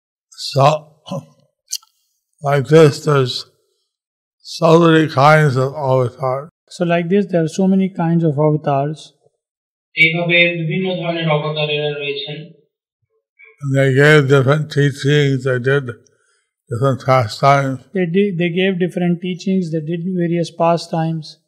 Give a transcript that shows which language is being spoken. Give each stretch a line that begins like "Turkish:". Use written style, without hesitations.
English: So, like this, there's so many kinds of avatars. So like this, there are so many kinds of avatars.
Bangla: এইভাবে বিভিন্ন ধরনের অবতারেরা রয়েছেন।
English: And they gave different teachings, they did different pastimes. They gave different teachings, they did various pastimes.